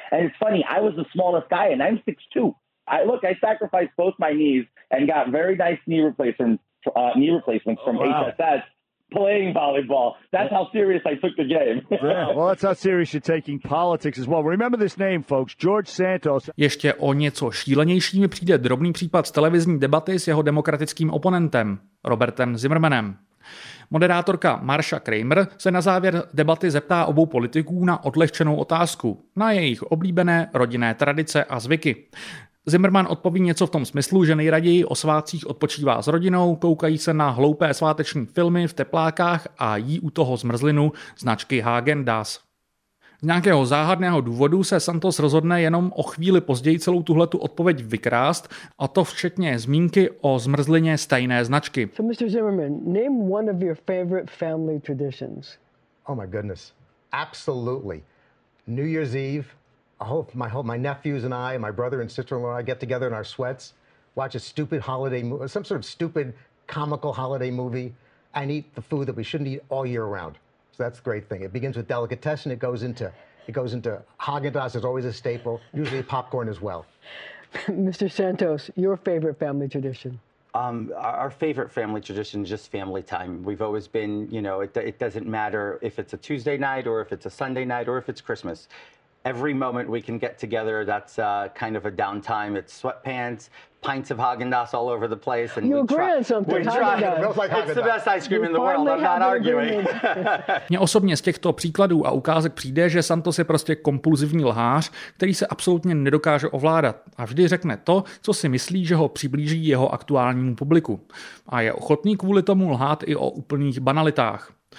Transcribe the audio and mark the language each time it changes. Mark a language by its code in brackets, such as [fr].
[en] And it's funny, I was the smallest guy, and I'm 6'2". I sacrificed both my knees and got very nice knee replacements from HSS. Playing volleyball. That's how serious I took the game. Yeah, well, that's how serious you're taking politics as well. Remember this name, folks. George Santos. [cs] Ještě o něco šílenější mi přijde drobný případ z televizní debaty s jeho demokratickým oponentem, Robertem Zimmermanem. Moderátorka Marsha Kramer se na závěr debaty zeptá obou politiků na odlehčenou otázku, na jejich oblíbené rodinné tradice a zvyky. Zimmerman odpoví něco v tom smyslu, že nejraději o svátcích odpočívá s rodinou, koukají se na hloupé sváteční filmy v teplákách a jí u toho zmrzlinu značky Häagen-Dazs. Z nějakého záhadného důvodu se Santos rozhodne jenom o chvíli později celou tuhletu odpověď vykrást, a to včetně zmínky o zmrzlině stejné značky. [en] So Mr. Zimmerman, name one of your favorite family traditions. Oh my goodness. Absolutely. New Year's Eve, my nephews and I, my brother and sister-in-law, I get together in our sweats, watch a stupid holiday movie, some sort of stupid comical holiday movie, and eat the food that we shouldn't eat all year round. So that's the great thing. It begins with delicatessen. It goes into Häagen-Dazs. It's always a staple. Usually popcorn as well. Mr. Santos, your favorite family tradition? Our favorite family tradition is just family time. We've always been, you know, it doesn't matter if it's a Tuesday night or if it's a Sunday night or if it's Christmas. Every moment we can get together, that's kind of a downtime. It's sweatpants, pints of Häagen-Dazs all over the place. And you agree on something. It's the best ice cream in the world. I'm not arguing. [cs] Mně osobně z těchto příkladů a ukázek přijde, že Santos je prostě kompulzivní lhář, který se absolutně nedokáže ovládat a vždy řekne to, co si myslí, že ho přiblíží jeho aktuálnímu publiku. A je ochotný kvůli tomu lhát i o úplných banalitách.